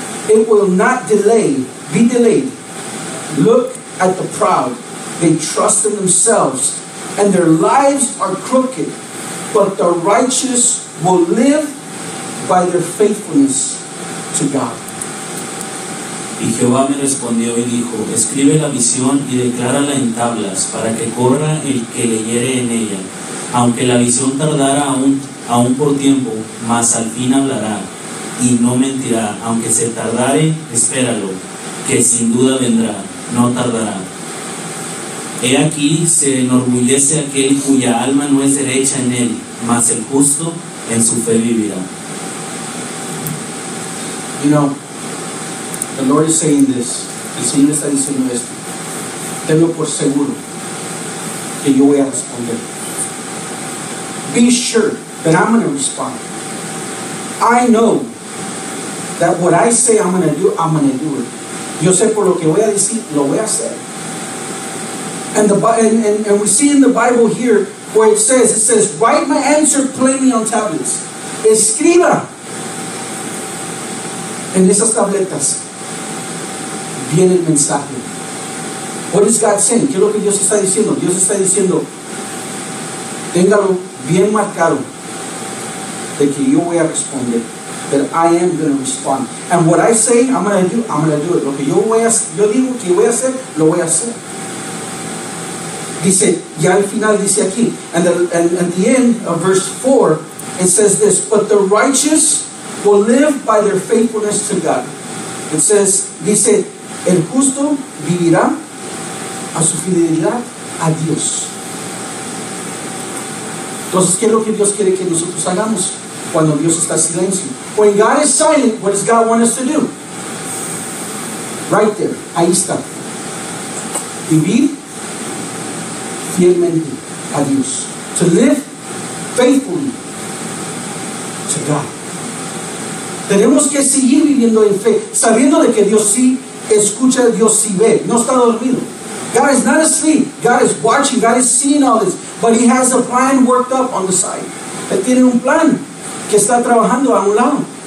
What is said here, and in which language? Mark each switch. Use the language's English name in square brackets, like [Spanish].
[English] It will not delay, be delayed. Look at the proud. They trust in themselves, and their lives are crooked. But the righteous will live by their faithfulness to God. [Spanish] Y Jehová me respondió y dijo, escribe la visión y declárala en tablas, para que corra el que leyere en ella. Aunque la visión tardara aún por tiempo, mas al fin hablará, y no mentirá. Aunque se tardare, espéralo, que sin duda vendrá, no tardará. He aquí, se enorgullece aquel cuya alma no es derecha en él, mas el justo en su fe vivirá. [English] You know, the Lord is saying this. [Spanish] El Señor está diciendo esto. Tengo por seguro que yo voy a responder. [English] Be sure that I'm going to respond. I know that what I say I'm going to do, I'm going to do it. [Spanish] Yo sé por lo que voy a decir, lo voy a hacer. [English] And we see in the Bible here where it says, write my answer plainly on tablets. [Spanish] Escriba en esas tabletas. Viene el mensaje. [English] What is God saying? [Spanish] ¿Qué es lo que Dios está diciendo? Dios está diciendo, téngalo bien marcado de que yo voy a responder. [English] That I am going to respond. And what I say, I'm going to do, I'm going to do it. [Spanish] Lo que yo digo que voy a hacer, lo voy a hacer. Dice, ya al final dice aquí, [English] and the end of verse 4, it says this, but the righteous will live by their faithfulness to God. It says, [Spanish] dice, el justo vivirá a su fidelidad a Dios. Entonces, ¿qué es lo que Dios quiere que nosotros hagamos cuando Dios está silencio? [English] When God is silent, what does God want us to do? Right there, [Spanish] ahí está. Vivir fielmente a Dios. [English] To live faithfully to God. [Spanish] Tenemos que seguir viviendo en fe, sabiendo de que Dios sí escucha, Dios sí ve. No está dormido. [English] God is not asleep. God is watching. God is seeing all this. But he has a plan worked up on the side. [Spanish] Él tiene un plan que está trabajando a un lado.